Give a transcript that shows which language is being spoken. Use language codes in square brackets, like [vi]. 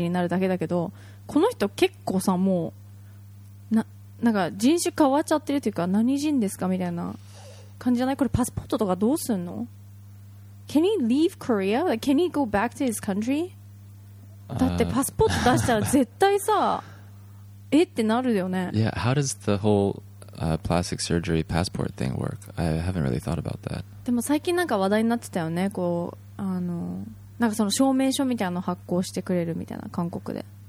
[ja] まあね。一般の人。結構人種が変わっちゃってる感じ。だからその例えばアジア人が白人っぽい整形手術を施したところで、まあ白人には見えないじゃん。まあアジア人、白人っぽいアジア人になるだけだけど、この人結構さもう。なんか人種変わっちゃってるというか何人ですかみたいな感じじゃない？これパスポートとかどうすんの？ [en] Can he leave Korea? Like, can he go back to his country? [ja] だってパスポート出したら絶対さえってなるよね。 [en] Yeah, how does the whole、plastic surgery passport thing work? I haven't really thought about that. [ja] でも最近なんか話題になってたよね。こうなんかその証明書みたいなの発行してくれるみたいな韓国で。